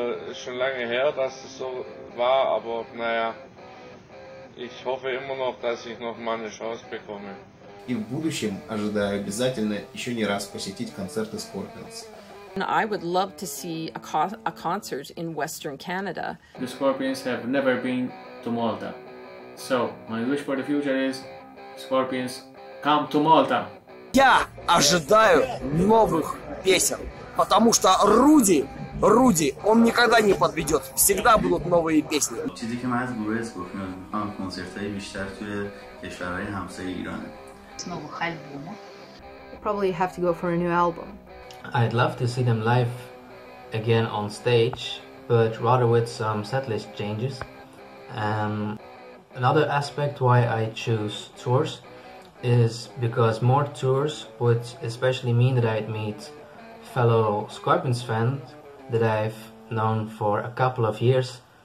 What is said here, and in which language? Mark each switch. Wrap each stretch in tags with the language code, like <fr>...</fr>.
<de>Ist schon lange her, dass es so war, aber naja, ich hoffe immer noch, dass ich noch mal eine Chance bekomme.</de> <ru>И в будущем ожидаю обязательно еще не раз посетить концерты Scorpions.</ru> <en>And I would love to see a concert in Western Canada. The Scorpions have never been to Malta. So, my wish for the future is, Scorpions, come to Malta!</en> <ru>Я ожидаю новых песен, потому что Руди, он никогда не подведет. Всегда будут новые песни. Чизи, что я говорю, Scorpions, там концерты больше в странах соседей Ирана. Новых альбомов.</ru> <en>Probably have to go for a new album. I'd love to see them live again on stage, but rather with some setlist changes. Another aspect why I choose tours is because more tours would especially mean that I'd meet fellow Scorpions fans that I've known for a couple of years.</en>